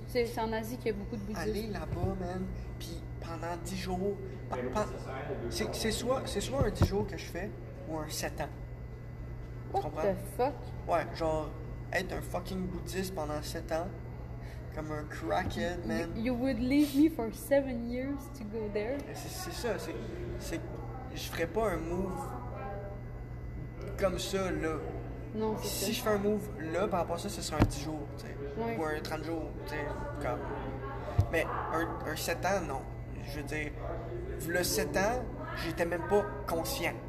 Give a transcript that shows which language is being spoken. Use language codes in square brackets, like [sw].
[fr] C'est en Asie qu'il y a beaucoup de bouddhistes. Aller là-bas, man. Puis pendant 10 jours. C'est soit un 10 jours que je fais ou un 7 ans. [en] What [fr] tu comprends? [en] The fuck? [fr] Ouais, genre être un fucking bouddhiste pendant 7 ans. Comme un crackhead, man. [en] You would leave me for 7 years to go there? [fr] C'est ça. C'est je ferais pas un move comme ça, là. Non, si je fais un move là, par rapport à ça, ce sera un 10 jours, tu sais. Oui. Ou un 30 jours, tu sais. Comme. Mais un 7 ans, non. Je veux dire, le 7 ans, j'étais même pas conscient.